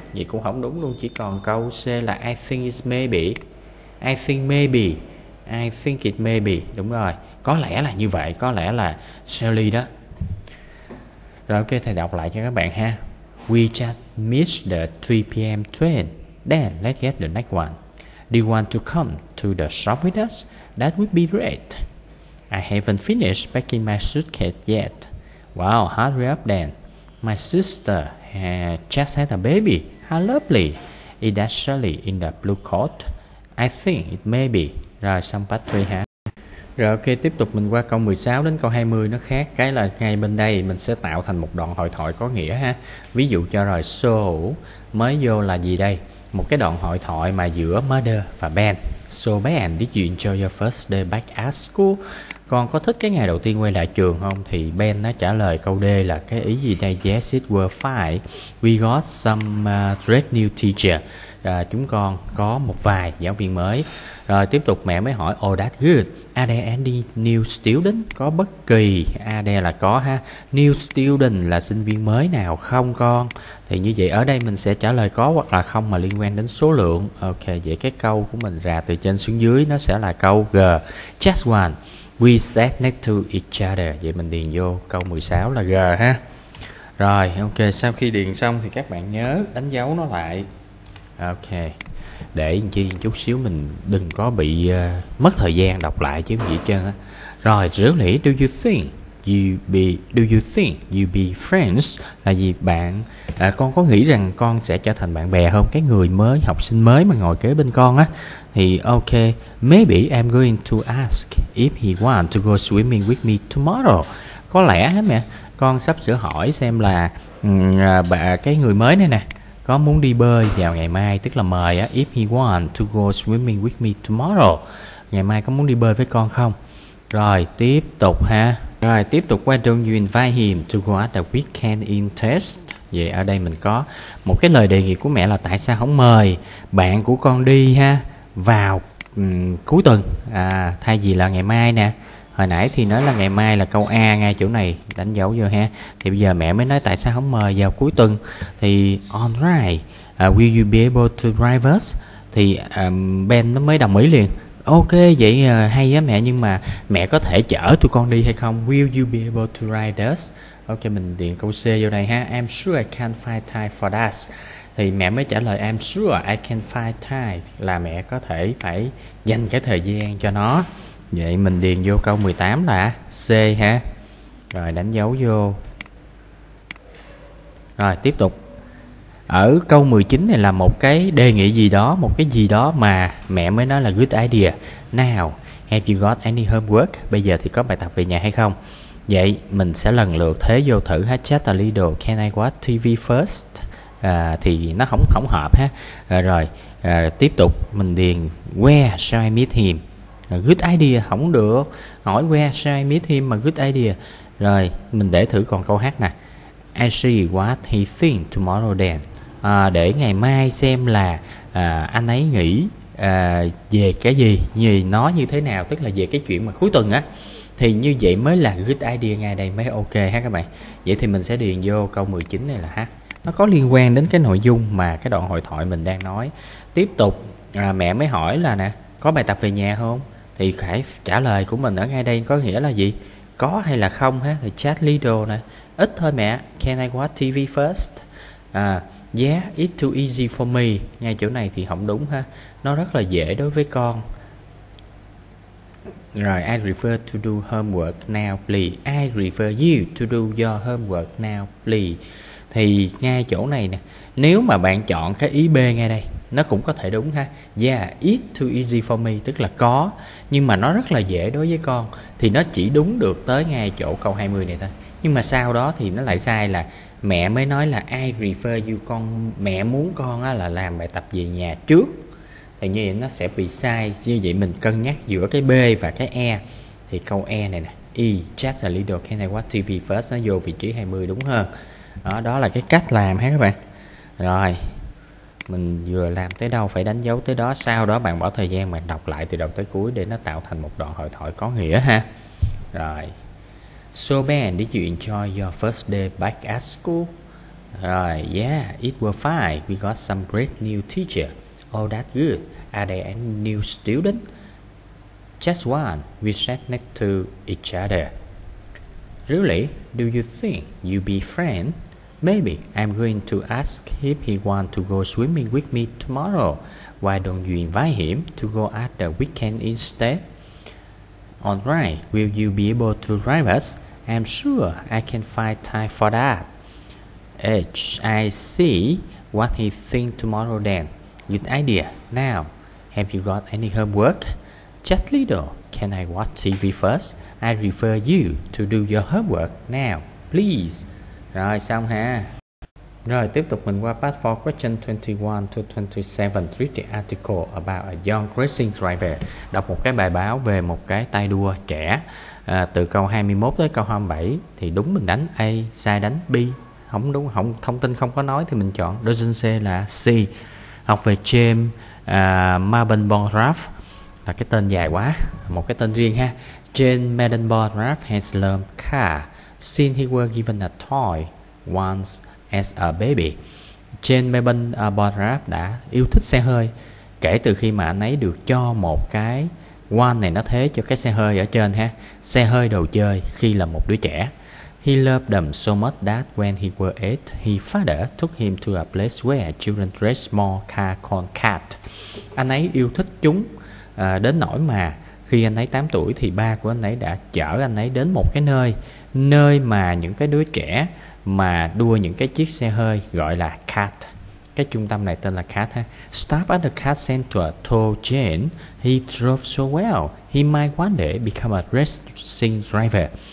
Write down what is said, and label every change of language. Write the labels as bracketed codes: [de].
[vi] Vậy cũng không đúng luôn, chỉ còn câu C là [en] I think it's maybe. I think maybe. I think it maybe. [vi] Đúng rồi, có lẽ là như vậy, có lẽ là Sally đó. Rồi, ok, thầy đọc lại cho các bạn ha. [en] We just missed the 3 p.m. train. Then let's get the next one. Do you want to come to the shop with us? That would be great. I haven't finished packing my suitcase yet. Wow, hurry up then. My sister just had a baby. How lovely. Is that Shirley in the blue coat? I think it may be. [vi] Rồi, xong part 3 ha. Rồi, ok, tiếp tục mình qua câu 16 đến câu 20, nó khác. Cái là ngay bên đây mình sẽ tạo thành một đoạn hội thoại có nghĩa ha. Ví dụ cho rồi, so, mới vô là gì đây? Một cái đoạn hội thoại mà giữa mother và Ben. [en] So Ben, did you enjoy your first day back at school? [vi] Con có thích cái ngày đầu tiên quay lại trường không? Thì Ben nó trả lời câu D là cái ý gì đây? [en] Yes, it was fine. We got some great new teacher. [vi] Chúng con có một vài giáo viên mới. Rồi tiếp tục mẹ mới hỏi, [en] oh that's good. Are there any new students? [vi] Có bất kỳ, [en] are there [vi] là có ha. New student là sinh viên mới nào không con? Thì như vậy ở đây mình sẽ trả lời có hoặc là không mà liên quan đến số lượng. Ok, vậy cái câu của mình ra từ trên xuống dưới nó sẽ là câu G. [en] Just one. We sat next to each other. [vi] Vậy mình điền vô câu 16 là G ha. Rồi, ok, sau khi điền xong thì các bạn nhớ đánh dấu nó lại. Ok, để chi chút xíu mình đừng có bị mất thời gian đọc lại chứ gì trơn á. [en] Rồi, really, do you think you be friends? [vi] Là gì bạn, con có nghĩ rằng con sẽ trở thành bạn bè không? Cái người mới, học sinh mới mà ngồi kế bên con á. [en] Thì ok, maybe I'm going to ask if he wants to go swimming with me tomorrow. [vi] Có lẽ hả mẹ, con sắp sửa hỏi xem là cái người mới này nè có muốn đi bơi vào ngày mai, tức là mời á, [en] if he want to go swimming with me tomorrow, [vi] ngày mai có muốn đi bơi với con không. Rồi tiếp tục ha. Rồi tiếp tục, [en] why don't you invite him to go out the weekend in test. [vi] Vậy ở đây mình có một cái lời đề nghị của mẹ là tại sao không mời bạn của con đi ha vào cuối tuần thay vì là ngày mai nè. Hồi nãy thì nói là ngày mai là câu A ngay chỗ này, đánh dấu vô ha. Thì bây giờ mẹ mới nói tại sao không mời vào cuối tuần. [en] Thì on right, will you be able to drive us? [vi] Thì Ben nó mới đồng ý liền. Ok, vậy hay á mẹ, nhưng mà mẹ có thể chở tụi con đi hay không? [en] Will you be able to ride us? [vi] Ok, mình điền câu C vô đây ha. [en] I'm sure I can find time for that. [vi] Thì mẹ mới trả lời [en] I'm sure I can find time, [vi] là mẹ có thể phải dành cái thời gian cho nó. Vậy mình điền vô câu 18 là C ha. Rồi đánh dấu vô. Rồi tiếp tục. Ở câu 19 này là một cái đề nghị gì đó, một cái gì đó mà mẹ mới nói là good idea. [en] Now, have you got any homework? [vi] Bây giờ thì có bài tập về nhà hay không? Vậy mình sẽ lần lượt thế vô thử ha. [en] Chat a little, can I watch TV first? [vi] Thì nó không hợp ha. Rồi, tiếp tục mình điền [en] where shall I meet him? Good idea, [vi] không được. [en] Hỏi where shall I meet him mà good idea. [vi] Rồi, mình để thử còn câu hát nè. [en] I see what he thinks tomorrow then. [vi] Để ngày mai xem là anh ấy nghĩ về cái gì, gì nó như thế nào, tức là về cái chuyện mà cuối tuần á, thì như vậy mới là [en] good idea, [vi] ngay đây mới ok ha các bạn. Vậy thì mình sẽ điền vô câu 19 này là ha, nó có liên quan đến cái nội dung mà cái đoạn hội thoại mình đang nói. Tiếp tục mẹ mới hỏi là nè, có bài tập về nhà không, thì phải trả lời của mình ở ngay đây có nghĩa là gì, có hay là không ha. Thì [en] chat little [vi] nè, ít thôi mẹ, [en] can I watch TV first, yeah it's too easy for me, [vi] ngay chỗ này thì không đúng ha, nó rất là dễ đối với con. [en] Rồi, I prefer to do homework now please, I prefer you to do your homework now please. [vi] Thì ngay chỗ này nè, nếu mà bạn chọn cái ý B ngay đây, nó cũng có thể đúng ha. [en] Yeah, it's too easy for me, [vi] tức là có, nhưng mà nó rất là dễ đối với con. Thì nó chỉ đúng được tới ngay chỗ câu 20 này thôi. Nhưng mà sau đó thì nó lại sai, là mẹ mới nói là [en] I prefer you, [vi] con, mẹ muốn con là làm bài tập về nhà trước. Thì như vậy nó sẽ bị sai. Như vậy mình cân nhắc giữa cái B và cái E. Thì câu E này nè, E, [en] just a little, can I watch TV first, [vi] nó vô vị trí 20 đúng hơn. Đó, đó là cái cách làm ha các bạn. Rồi, mình vừa làm tới đâu phải đánh dấu tới đó. Sau đó bạn bỏ thời gian bạn đọc lại từ đầu tới cuối để nó tạo thành một đoạn hội thoại có nghĩa ha. [en] Rồi, so Ben, did you enjoy your first day back at school? Rồi, yeah, it was fine. We got some great new teacher. Oh, that's good. Are there any new students? Just one. We sat next to each other. Really? Do you think you'll be friends? Maybe I'm going to ask if he wants to go swimming with me tomorrow. Why don't you invite him to go at the weekend instead? Alright, will you be able to drive us? I'm sure I can find time for that. I see what he thinks tomorrow then. Good idea. Now, have you got any homework? Just little. Can I watch TV first? I refer you to do your homework now, please. [vi] Rồi, xong ha. Rồi, tiếp tục mình qua [en] part 4, question 21 to 27. Read the article about a young racing driver. [vi] Đọc một cái bài báo về một cái tay đua trẻ. Từ câu 21 tới câu 27, thì đúng mình đánh A, sai đánh B. Không đúng, không, thông tin không có nói thì mình chọn doesn't say là C. Học về James Mabenbonraff, là cái tên dài quá, một cái tên riêng ha. [en] James Mabenbonraff has learned car since he was given a toy once as a baby. [vi] James Mabenbonraff đã yêu thích xe hơi kể từ khi mà anh ấy được cho một cái one này, nó thế cho cái xe hơi ở trên ha, xe hơi đồ chơi khi là một đứa trẻ. [en] He loved them so much that when he was 8, his father took him to a place where children race small car called cat. [vi] Anh ấy yêu thích chúng đến nỗi mà khi anh ấy 8 tuổi thì ba của anh ấy đã chở anh ấy đến một cái nơi, nơi mà những cái đứa trẻ mà đua những cái chiếc xe hơi gọi là cat. Cái trung tâm này tên là cat ha. [en] Stop at the cat center told Jane he drove so well he might one day become a racing driver.